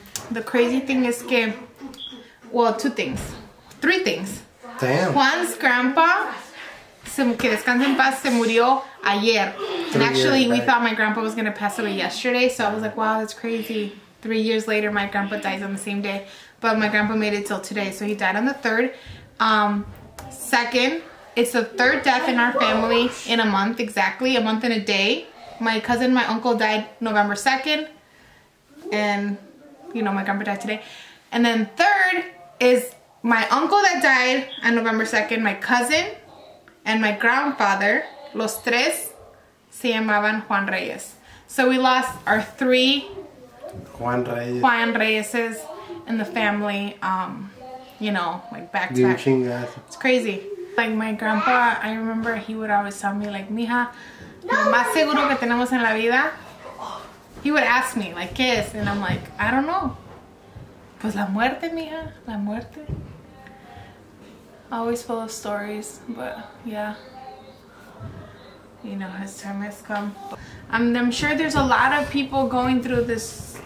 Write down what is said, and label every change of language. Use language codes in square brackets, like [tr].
[en] The crazy thing is que, well, two things. Three things. Damn. [es] Juan's grandpa, que descanse en paz, se murió ayer. [en] And actually, we thought my grandpa was going to pass away yesterday, so I was like, wow, that's crazy. 3 years later, my grandpa dies on the same day. But my grandpa made it till today, so he died on the 3rd. Second, it's the 3rd death in our family in a month, exactly. A month and a day. My cousin, my uncle, died November 2nd. And, you know, my grandpa died today. And then third is my uncle that died on November 2nd, my cousin, and my grandfather. [es] Los tres se llamaban Juan Reyes. [en] So we lost our three... Juan Reyes and the family, you know, like back to back. It's crazy. Like my grandpa, I remember he would always tell me, like, [es] mija, lo más seguro que tenemos en la vida. [en] He would ask me, like, [es] ¿qué es? [en] And I'm like, I don't know. [es] Pues la muerte, mija, la muerte. [en] Always full of stories, but yeah. You know, his time has come. I'm sure there's a lot of people going through this